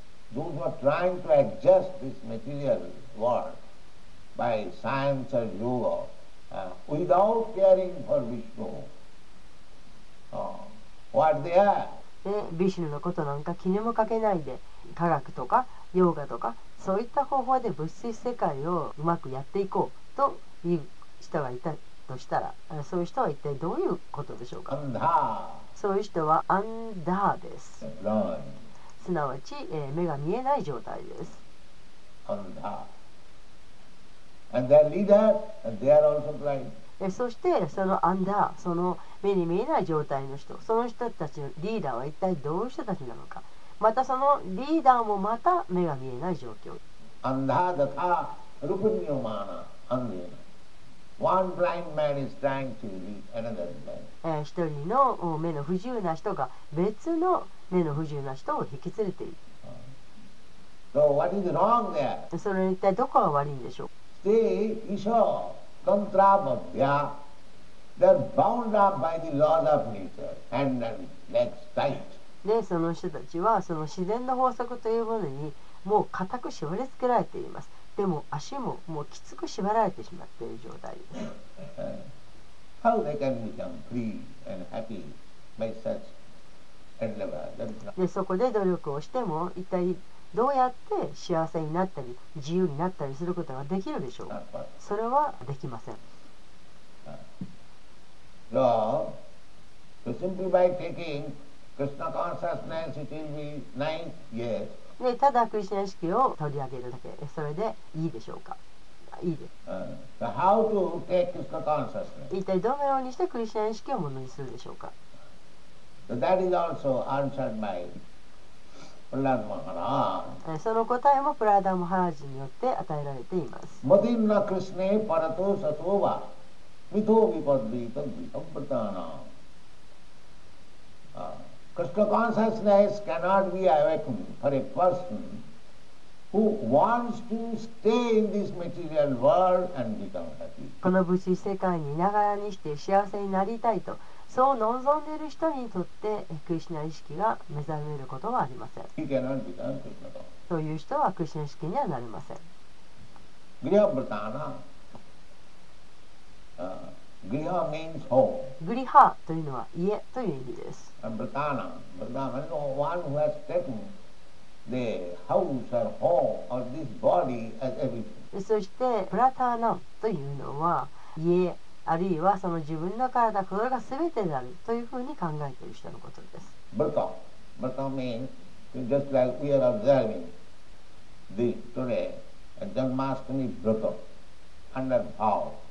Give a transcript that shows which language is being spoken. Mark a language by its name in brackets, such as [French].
[English] those who are trying to adjust this material world by science or yoga, without caring for Vishnu, what they are. [Japanese] Vishnu のことなんか気にもかけないで、科学とかヨーガとかそういった方法で物質世界をうまくやっていこうという人がいたとしたら、そういう人は一体どういうことでしょうか。 [Sanskrit] Andha. [Japanese] そういう人はアンダーです。 [English] Blind. [Japanese] すなわち、目が見えない状態です。アンダー。 [English] And their leader, they are also blind. [Japanese] そしてそのアンダー、その目に見えない状態の人、その人たちのリーダーは一体どういう人たちなのか。またそのリーダーもまた目が見えない状況。 [Sanskrit] アンダーダタルプニオマーナアンディエナ。 [English] One blind man is trying to lead another blind. [Japanese] 一人の目の不自由な人が別の目の不自由な人を引き連れている。 [English] So what is wrong there? [Japanese] それ一体どこが悪いんでしょう。 [English] See, Isho, Kantrabhya, they are bound up by the laws of nature and legs tight. [Japanese] でその人たちはその自然の法則というものにもう固く縛り付けられています。でも足ももうきつく縛られてしまっている状態です。 [English] How they can become free and happy by such endeavor? [Japanese] でそこで努力をしても一体どうやって幸せになったり自由になったりすることができるでしょうか。それはできません。 [English] So, simply by takingKrishna consciousness, it will be nice, yes. [Japanese] ね、ただクリスナ意識を取り上げるだけ、それでいいでしょうか。いいです。 [English] So how to take Krishna consciousness? [Japanese] 一体どのようにしてクリスナ意識をものにするでしょうか。 [English] So that is also answered by Prahlada Maharaj. [Japanese] その答えもプラーダマハラジによって与えられています。 [Sanskrit] Madhimna Krishna parato satova mito vipadvita vipadvitaanam. [English] Krishna consciousness cannot be awakened for a person who wants to stay in this material world and become happy. [Japanese] この物質世界にいながらにして幸せになりたいとそう望んでいる人にとってクリシナ意識が目覚めることはありません。 [English] He cannot become Krishna consciousness. [Japanese] そういう人はクリシナ意識にはなりません。 [Sanskrit] Griha Vrtana. [English] Griha means home. [Japanese] Griha というのは家という意味です。 [English] Vrtana, Vrtana, no one who has taken the house or home or this body as everything. [Japanese] そして Vrtana というのは家あるいはその自分の体これが全てであるというふうに考えている人のことです。 [English] Vrta, Vrta means just like we are observing the today, Janmashtami Vrta, under vow.